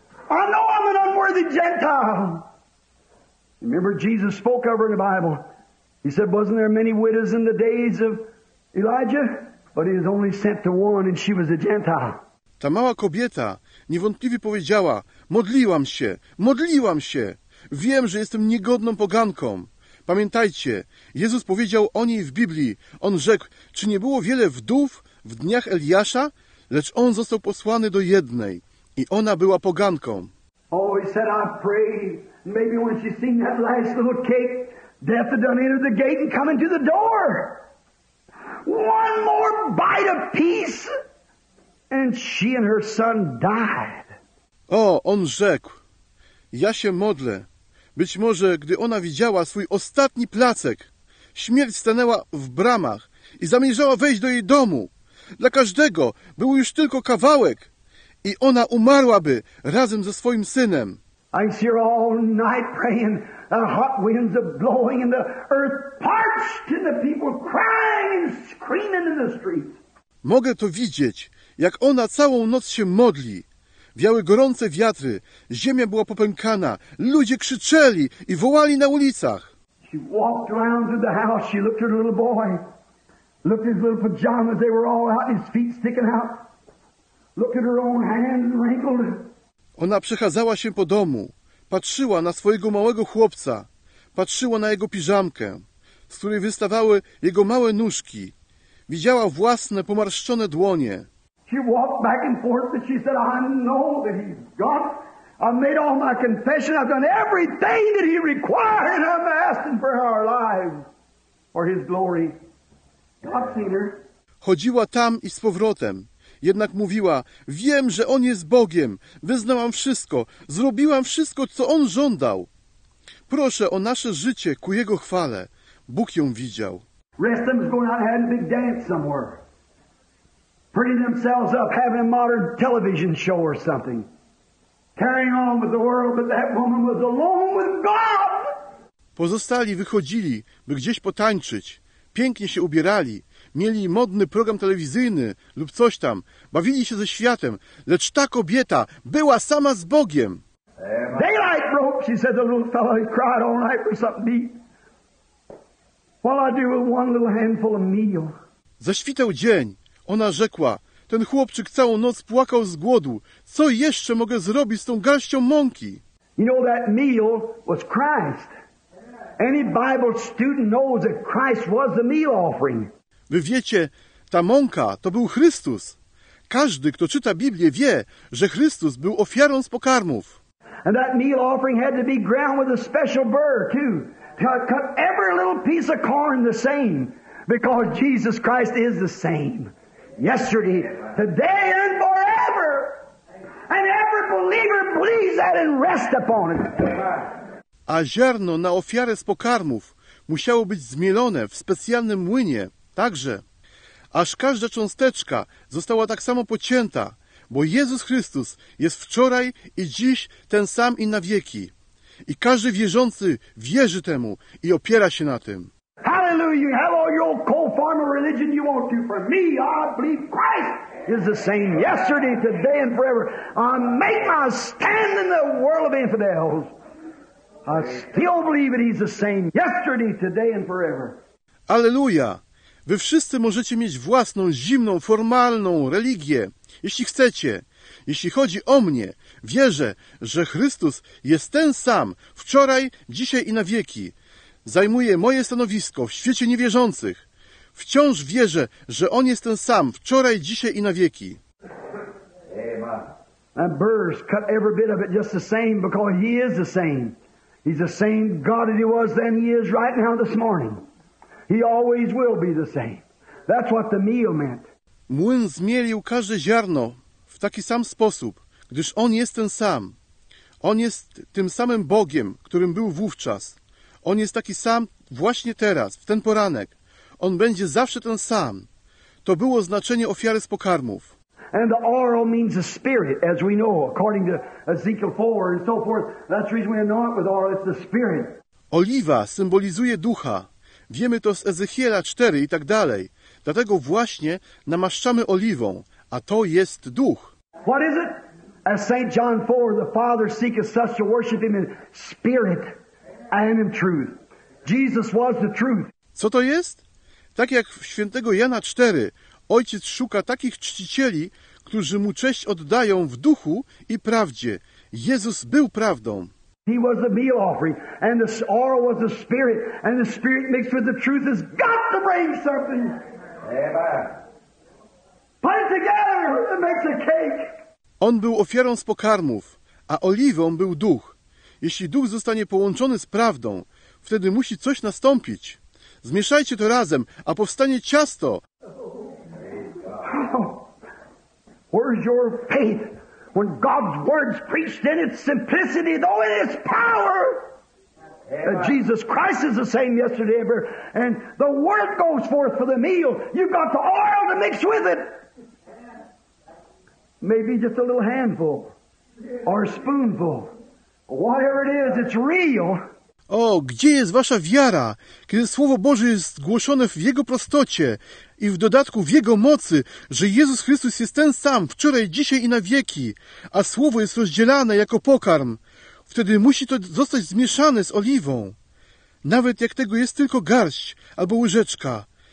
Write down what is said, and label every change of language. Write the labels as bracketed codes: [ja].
[en] I know I'm an unworthy Gentile. Remember Jesus spoke of her in the Bible. He said, wasn't there many widows in the days of Elijah? But he was only sent to one and she was a Gentile. [pl] Ta mała kobieta niewątpliwie powiedziała, modliłam się, wiem, że jestem niegodną poganką. Pamiętajcie, Jezus powiedział o niej w Biblii, on rzekł, czy nie było wiele wdów w dniach Eliasza, lecz on został posłany do jednej i ona była poganką. [en] Oh, he said, I pray, maybe when she seen that last little cake, death had done entered the gate and come into the door. One more bite of peace. And she and her son died. [pl] O, on rzekł. Ja się modlę. Być może, gdy ona widziała swój ostatni placek, śmierć stanęła w bramach i zamierzała wejść do jej domu. Dla każdego był już tylko kawałek i ona umarłaby razem ze swoim synem. [en] I see her all night praying. The hot winds are blowing and the earth parched and the people crying and screaming in the streets. [pl] Mogę to widzieć, jak ona całą noc się modli. Wiały gorące wiatry, ziemia była popękana, ludzie krzyczeli i wołali na ulicach. [en] She walked around through the house, she looked at her little boy, looked at his little pajamas, they were all out, his feet sticking out, looked at her own hands wrinkled. [pl] Ona przechadzała się po domu, patrzyła na swojego małego chłopca, patrzyła na jego piżamkę, z której wystawały jego małe nóżki. Widziała własne pomarszczone dłonie. [en] She walked back and forth, but she said, I know that he's God. I've made all my confession. I've done everything that he required. I'm asking for our lives, for his glory. God seen her. [pl] Chodziła tam i z powrotem. Jednak mówiła, wiem, że on jest Bogiem. Wyznałam wszystko. Zrobiłam wszystko, co on żądał. Proszę o nasze życie ku jego chwale. Bóg ją widział. [en] Rest of them is going out and having a big dance somewhere. Pretty themselves up, having a modern television show or something. Carrying on with the world, but that woman was alone with God. [pl] Pozostali wychodzili, by gdzieś potańczyć. Pięknie się ubierali. Mieli modny program telewizyjny lub coś tam. Bawili się ze światem. Lecz ta kobieta była sama z Bogiem. [en] Daylight broke, she said, the little fellow. He cried all night for something to eat. While I do with one little handful of meal. [pl] Zaświtał dzień. Ona rzekła, ten chłopczyk całą noc płakał z głodu. Co jeszcze mogę zrobić z tą garścią mąki? [en] You know that meal was Christ. Any Bible student knows that Christ was the meal offering. [pl] Wy wiecie, ta mąka to był Chrystus. Każdy, kto czyta Biblię, wie, że Chrystus był ofiarą z pokarmów. [en] And that meal offering had to be ground with a special burr too. To cut every little piece of corn the same, because Jesus Christ is the same. Yesterday, today, and forever. And every believer believes that and rests upon it. [pl] A ziarno na ofiarę z pokarmów musiało być zmielone w specjalnym młynie, także, aż każda cząsteczka została tak samo pocięta, bo Jezus Chrystus jest wczoraj i dziś ten sam i na wieki. I każdy wierzący wierzy temu i opiera się na tym. [en] Hallelujah! Have all your cold form of religion you want to. For me, I believe Christ is the same yesterday, today, and forever. I make my stand in the world of infidels. I still believe that He's the same yesterday, today, and forever. [pl] Alleluja! Wy wszyscy możecie mieć własną, zimną, formalną religię, jeśli chcecie. Jeśli chodzi o mnie, wierzę, że Chrystus jest ten sam wczoraj, dzisiaj i na wieki. Zajmuję moje stanowisko w świecie niewierzących. Wciąż wierzę, że On jest ten sam wczoraj, dzisiaj i na wieki. [en] And birds cut every bit of it just the same because He is the same. He's the same God that He was then, He is right now this morning. He always will be the same. That's what the meal meant. [pl] Młyn zmielił każde ziarno w taki sam sposób, gdyż On jest ten sam. On jest tym samym Bogiem, którym był wówczas. On jest taki sam właśnie teraz, w ten poranek. On będzie zawsze ten sam. To było znaczenie ofiary z pokarmów. [en] And the oil means the spirit, as we know, according to Ezekiel 4 and so forth. That's the reason we anoint with oil, it's the spirit. [pl] Oliwa symbolizuje ducha. Wiemy to z Ezechiela 4 i tak dalej. Dlatego właśnie namaszczamy oliwą, a to jest duch. [en] What is it? As St. John 4, the Father seeketh such to worship Him in spirit and in truth. Jesus was the truth. [pl] Co to jest? Tak jak w świętego Jana 4, Ojciec szuka takich czcicieli, którzy Mu cześć oddają w duchu i prawdzie. Jezus był prawdą. [en] He was the meal offering, and the oil was the spirit, and the spirit mixed with the truth has got to bring something. Amen. Put it together, it makes a cake. [pl] On był ofiarą z pokarmów, a oliwą był duch. Jeśli duch zostanie połączony z prawdą, wtedy musi coś nastąpić. Zmieszajcie to razem, a powstanie ciasto. [en] Where's your faith? When God's word's preached in its simplicity, though in its power, Jesus Christ is the same yesterday, ever, and the word goes forth for the meal. You've got the oil to mix with it. Maybe just a little handful or a spoonful. Whatever it is, it's real. [pl] O, gdzie jest wasza wiara, kiedy Słowo Boże jest głoszone w Jego prostocie i w dodatku w Jego mocy, że Jezus Chrystus jest ten sam wczoraj, dzisiaj i na wieki, a Słowo jest rozdzielane jako pokarm. Wtedy musi to zostać zmieszane z oliwą. Nawet jak tego jest tylko garść albo łyżeczka.